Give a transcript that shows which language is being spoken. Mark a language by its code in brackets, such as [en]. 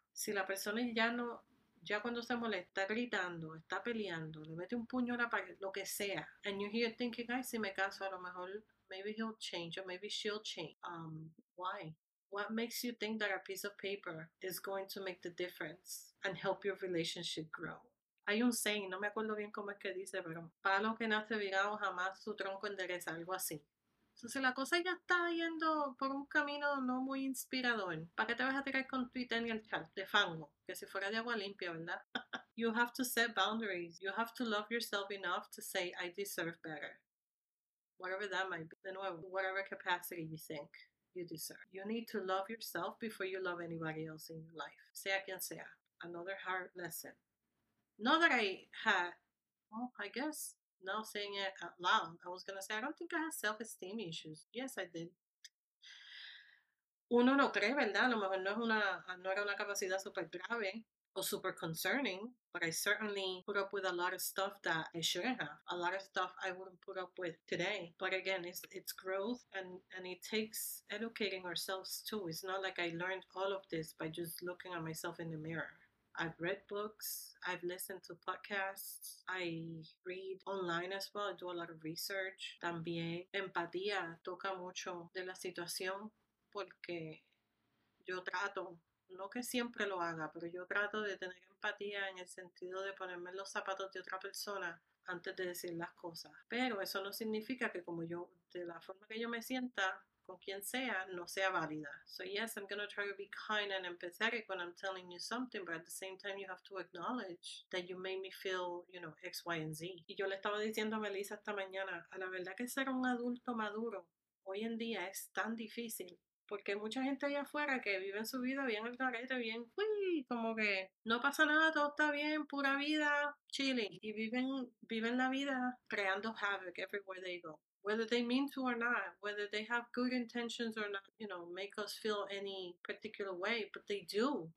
[es] Si la persona ya no, ya cuando se molesta, está gritando, está peleando, le mete un puño a la pared, lo que sea, [en] and you're here thinking, [es] ay, si me caso, a lo mejor [en] maybe he'll change or maybe she'll change. Why? What makes you think that a piece of paper is going to make the difference and help your relationship grow? [es] Hay un saying, no me acuerdo bien cómo es que dice, pero palo que nace virado jamás su tronco endereza, algo así. Entonces la cosa ya está yendo por un camino no muy inspirador. ¿Para qué te vas a tirar con Twitter en el chat de fango? Que si fuera de agua limpia, ¿verdad? [en] You have to set boundaries. You have to love yourself enough to say, I deserve better. Whatever that might be, then whatever capacity you think you deserve. You need to love yourself before you love anybody else in your life. [es] Sea quien sea. [en] Another hard lesson. Not that I had, well, I guess, now saying it out loud, I was going to say, I don't think I have self-esteem issues. Yes, I did. [es] Uno no cree, ¿verdad? A lo mejor no era una capacidad super grave. [en] was super concerning, but I certainly put up with a lot of stuff that I shouldn't have. A lot of stuff I wouldn't put up with today. But again, it's growth, and it takes educating ourselves too. It's not like I learned all of this by just looking at myself in the mirror. I've read books, I've listened to podcasts, I read online as well, I do a lot of research. [es] También empatía toca mucho de la situación porque yo trato, no que siempre lo haga, pero yo trato de tener empatía en el sentido de ponerme en los zapatos de otra persona antes de decir las cosas. Pero eso no significa que como yo, de la forma que yo me sienta, con quien sea, no sea válida. [en] So yes, I'm going to try to be kind and empathetic when I'm telling you something, but at the same time, you have to acknowledge that you made me feel, you know, X, Y, and Z. [es] Y yo le estaba diciendo a Melissa esta mañana, a la verdad que ser un adulto maduro hoy en día es tan difícil, porque hay mucha gente allá afuera que vive en su vida bien al garete, bien, uy, como que no pasa nada, todo está bien, pura vida, chilling. Y viven la vida creando [en] havoc everywhere they go. Whether they mean to or not, whether they have good intentions or not, you know, make us feel any particular way, but they do.